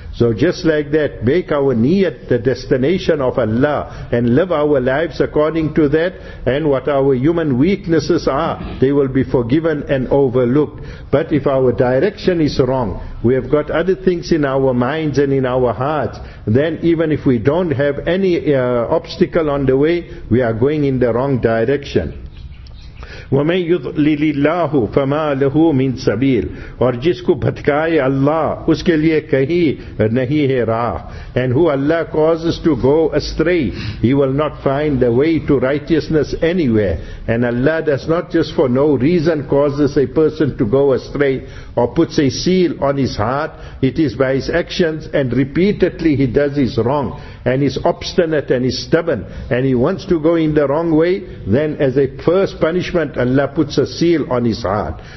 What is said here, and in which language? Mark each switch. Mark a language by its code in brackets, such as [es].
[en] So just like that, make our niyat the destination of Allah and live our lives according to that, and what our human weaknesses are, they will be forgiven and overlooked. But if our direction is wrong, we have got other things in our minds and in our hearts, then even if we don't have any obstacle on the way, we are going in the wrong direction. [ar] وَمَنْ يُضْلِلِ اللَّهُ فَمَا لَهُ مِنْ سَبِيلٍ. [ur] اور جس کو بھٹکائے اللہ اس کے لئے کہیں نہیں ہے راہ. [en] And who Allah causes to go astray, he will not find the way to righteousness anywhere. And Allah does not just for no reason causes a person to go astray or puts a seal on his heart. It is by his actions, and repeatedly he does his wrong, and he's obstinate and he's stubborn, and he wants to go in the wrong way, then as a first punishment, Allah puts a seal on his heart.